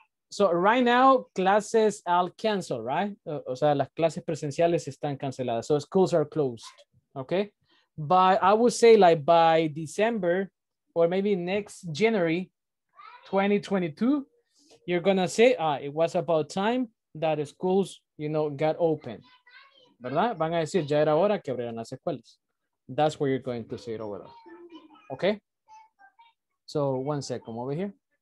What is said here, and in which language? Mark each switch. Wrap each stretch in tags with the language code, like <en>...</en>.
<en>So right now, classes are canceled, right?</en> <es>O sea, las clases presenciales están canceladas.</es> <en>So schools are closed, okay? But I would say like by December or maybe next January 2022, you're gonna say, it was about time that the schools, you know, got open, ¿verdad?</en> <es>Van a decir, ya era hora que abrieran las escuelas.</es> <en>That's where you're going to say it over there, okay? So one sec, come over here.</en>